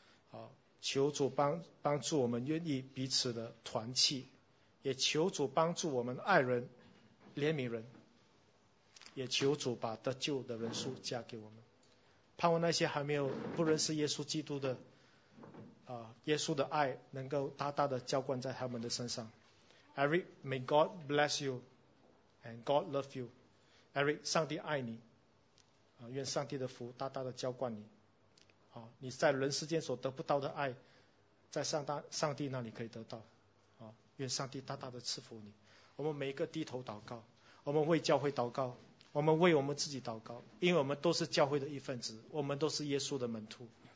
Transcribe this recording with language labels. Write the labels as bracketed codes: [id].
[zh] 好，求主帮助我们愿意彼此的团契，也求主帮助我们爱人怜悯人，也求主把得救的人数加给我们，盼望那些还没有不认识耶稣基督的耶稣的爱能够大大的浇灌在他们的身上。 [en] Eric, may God bless you and God love you. [zh] Eric, 上帝爱你啊，愿上帝的福大大的浇灌你啊，你在人世间所得不到的爱在上帝那里可以得到啊，愿上帝大大的赐福你。我们每一个低头祷告，我们为教会祷告，我们为我们自己祷告，因为我们都是教会的一份子，我们都是耶稣的门徒。